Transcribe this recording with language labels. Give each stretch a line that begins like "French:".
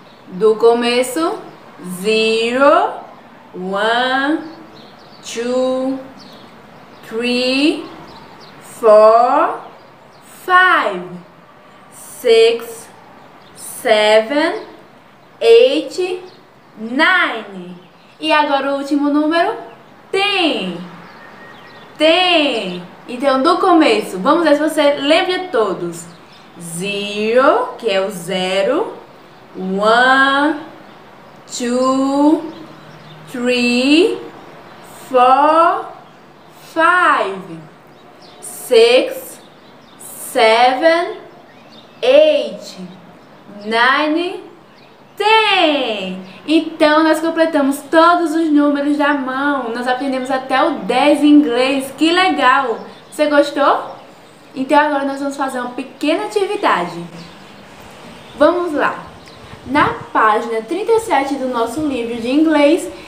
Portuguese: Do começo,
English: zero, one, two, three, four, five, six, seven, eight, nine.
Portuguese: E agora o último número,
English: ten. Ten.
Portuguese: Então, do começo, vamos ver se você lembra todos. Zero, que é o zero.
English: One, two, three, four, five, six, seven, eight, nine, ten.
Portuguese: Então nós completamos todos os números da mão. Nós aprendemos até o 10 em inglês. Que legal! Você gostou? Então agora nós vamos fazer uma pequena atividade. Vamos lá. Na página 37 do nosso livro de inglês,